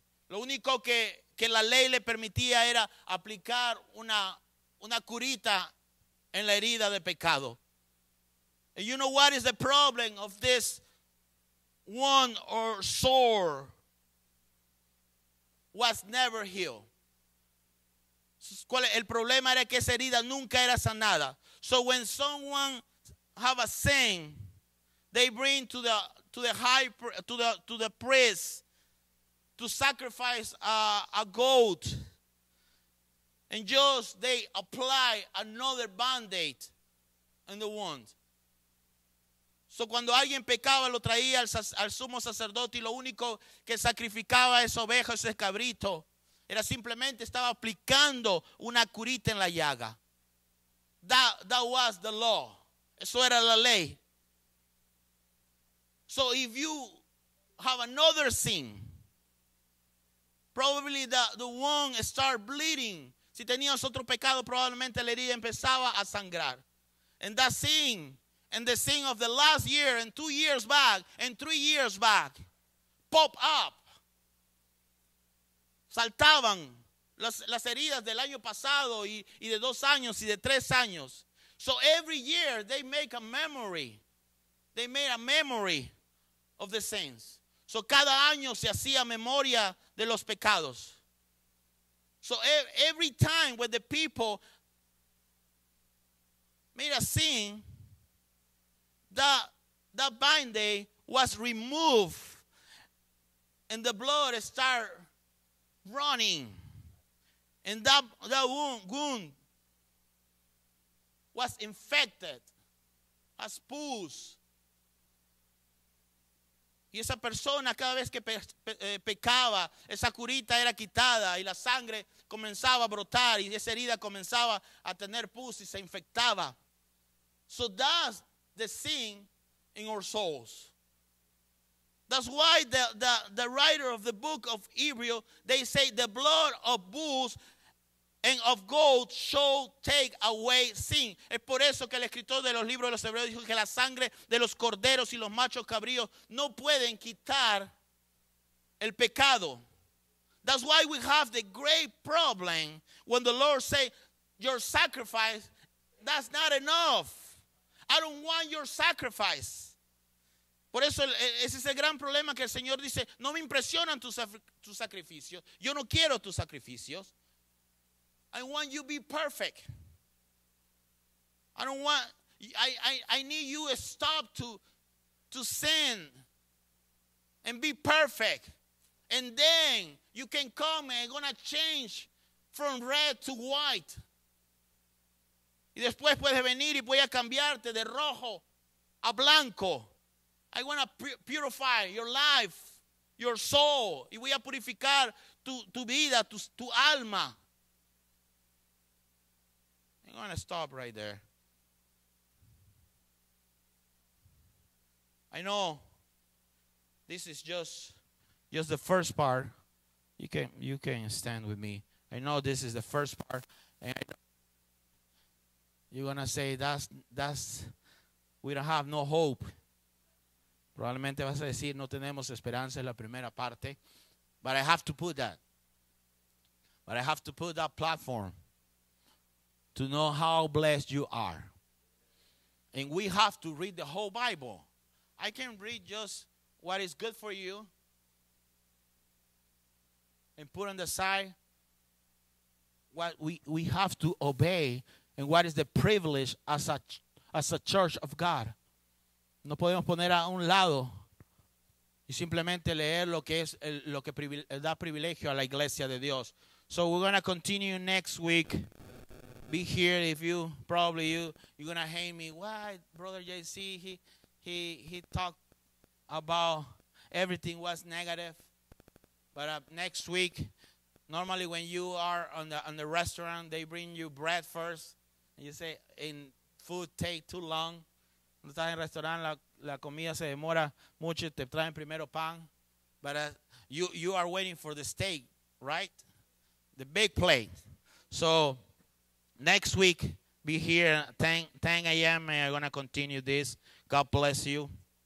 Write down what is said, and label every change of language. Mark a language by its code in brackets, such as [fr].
[es] Lo único que la ley le permitía era aplicar una curita en la herida de pecado. [en] And you know what is the problem of this wound or sore? Was never healed. [es] ¿Cuál es? El problema era que esa herida nunca era sanada. [en] So when someone have a sin, they bring to the priest to sacrifice a goat, and just they apply another band-aid in the wound. [es] So cuando alguien pecaba, lo traía al sumo sacerdote, y lo único que sacrificaba esa oveja, ese cabrito, era simplemente estaba aplicando una curita en la llaga. [en] That was the law. [es] Eso era la ley. [en] So if you have another sin, probably the wound start bleeding. [es] Si tenías otro pecado, probablemente la herida empezaba a sangrar. [en] And that sin, and the sin of the last year, and 2 years back, and 3 years back, pop up. [es] Saltaban las heridas del año pasado y de 2 años y de 3 años. [en] So every year they make a memory. They made a memory of the sins. [es] So cada año se hacía memoria de los pecados. [en] So every time when the people made a sin, that band-aid was removed and the blood start running, and that wound was infected as pus. [es] Y esa persona, cada vez que pecaba, esa curita era quitada y la sangre comenzaba a brotar y esa herida comenzaba a tener pus y se infectaba. [en] So that's the sin in our souls. That's why the writer of the book of Hebrews, they say the blood of bulls and of gold shall take away sin. [es] Es por eso que el escritor de los libros de los Hebreos dijo que la sangre de los corderos y los machos cabríos no pueden quitar el pecado. [en] That's why we have the great problem when the Lord says your sacrifice That's not enough. I don't want your sacrifice. [es] Por eso ese es el gran problema que el Señor dice, no me impresionan tus sacrificios. Yo no quiero tus sacrificios. [en] I want you to be perfect. I need you to stop to sin and be perfect. And then you can come and I'm going to change from red to white. [es] Y después puedes venir y voy a cambiarte de rojo a blanco. [en] I want to purify your life, your soul. [es] Y voy a purificar tu vida, tu alma. [en] I'm going to stop right there. I know this is just the first part. You can stand with me. I know this is the first part. And you're going to say, that's we don't have no hope. [es] Probablemente vas a decir, no tenemos esperanza en la primera parte. [en] But I have to put that. But I have to put that platform to know how blessed you are. And we have to read the whole Bible. I can read just what is good for you and put on the side what we have to obey and what is the privilege as a church of God. [es] No podemos poner a un lado y simplemente leer lo que es lo que da privilegio a la iglesia de Dios. [en] So we're going to continue next week. Be here if you, probably you're going to hate me. Why, Brother JC, he talked about everything was negative. But next week, normally when you are on the restaurant, they bring you bread first. And you say, and food take too long. [es] Cuando estás en el restaurante, la comida se demora mucho. Te traen primero pan. [en] But you are waiting for the steak, right? The big plate. So next week, be here. 10 a.m. and I'm going to continue this. God bless you.